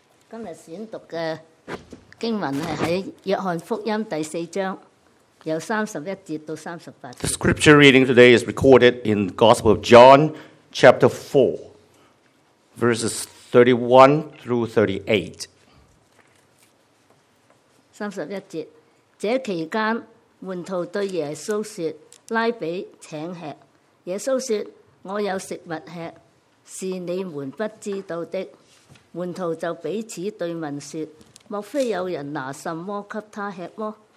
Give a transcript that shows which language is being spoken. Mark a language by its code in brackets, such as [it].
[zh] 今日选读的经文是在约翰福音第四章，由31节到38节。 [en] The scripture reading today is recorded in the Gospel of John, chapter 4, verses 31 through 38. [zh] 31节，这期间，门徒对耶稣说：拉比，请吃。耶稣说：我有食物吃，是你们不知道的。门徒就彼此对问说：莫非有人拿什么给他吃么？